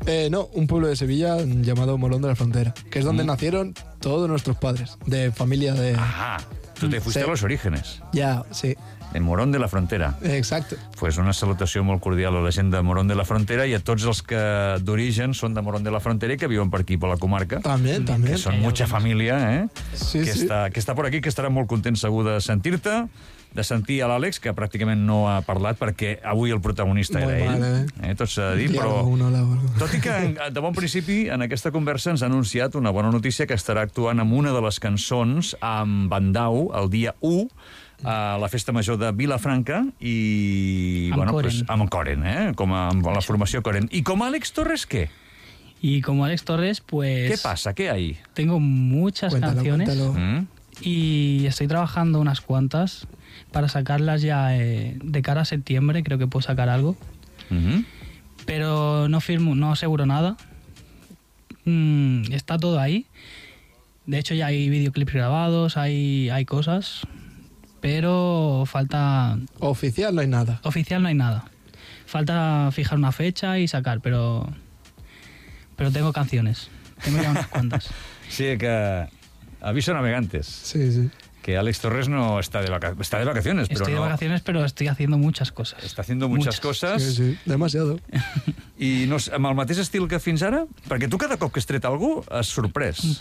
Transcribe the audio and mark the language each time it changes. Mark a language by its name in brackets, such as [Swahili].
[Spanish] No, un pueblo de Sevilla llamado Molón de la Frontera, que es donde nacieron todos nuestros padres, de familia de... Ajá. Tu te fuiste a los orígenes. Ja, sí. En Morón de la Frontera. [Catalan] Exacte. Pues una salutació molt cordial a la gent de Morón de la Frontera i a tots els que d'origen són de Morón de la Frontera i que viuen per aquí, per la comarca. També, també. Que són mucha família, Sí, que sí. Que està per aquí, que estarà molt content segur de sentir-te, de sentir a l'Àlex, que pràcticament no ha parlat perquè avui el protagonista molt era mal, ell. Tot s'ha de dir, però... Tot i que, de bon principi, en aquesta conversa ens ha anunciat una bona notícia que estarà actuant amb una de les cançons amb Bandau el dia 1 a la Festa Major de Vilafranca i... Amb bueno, Coren. Pues, amb Coren, com a, amb la formació Coren. I com Àlex Torres, què? I com Àlex Torres, pues... Què passa? Què hi ha? [Spanish] Tengo muchas canciones. Y estoy trabajando unas cuantas para sacarlas ya de cara a septiembre, creo que puedo sacar algo. Pero no firmo, no aseguro nada. Está todo ahí. De hecho, ya hay videoclips grabados, hay cosas... Pero falta... Oficial no hay nada. Oficial no hay nada. Falta fijar una fecha y sacar, pero... Pero tengo canciones. Tengo ya unas cuantas. Sí, que... Aviso navegantes. Sí, sí. Que Àlex Torres no está de vacaciones. Está de vacaciones, estoy pero de no... vacaciones, pero estoy haciendo muchas cosas. Está haciendo muchas cosas. Sí, sí. Demasiado. Y no sé, [Catalan] amb el mateix estil que fins ara? Perquè tu cada cop que has tret algo, has sorprès.